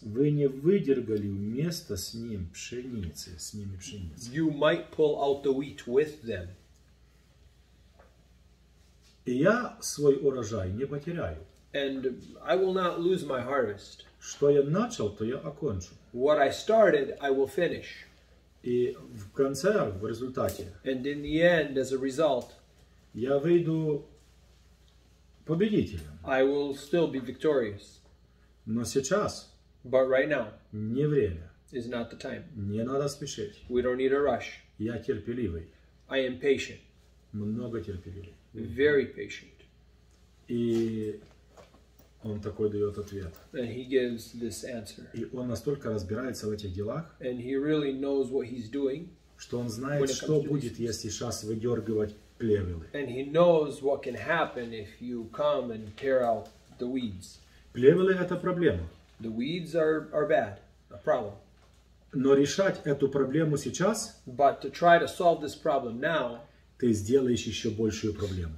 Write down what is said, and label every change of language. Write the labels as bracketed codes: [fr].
[ru] вы не выдергали вместо с ним пшеницы, с ними пшеницы. [en] You might pull out the wheat with them. [ru] И я свой урожай не потеряю. [en] And I will not lose my harvest. [ru] Что я начал, то я окончу. [en] What I started, I will finish. [ru] И в конце, в результате. [en] And in the end, as a result, [ru] я выйду победителем. [en] I will still be victorious. [ru] Но сейчас. [en] But right now. [ru] Не время. [en] Is not the time. [ru] Не надо спешить. [en] We don't need a rush. [ru] Я терпеливый. [en] I am patient. [ru] Много терпеливый. [en] Very patient. [ru] И он такой дает ответ. [en] And he gives this answer. [ru] И он настолько разбирается в этих делах. [en] And he really knows what he's doing. [ru] Что он знает, что будет, если сейчас выдергивать плевелы. [en] And he knows what can happen if you come and tear out the weeds. [ru] Плевелы это проблема. [en] The weeds are bad, a problem. [ru] Но решать эту проблему сейчас. [en] But to try to solve this problem now. [ru] Ты сделаешь еще большую проблему.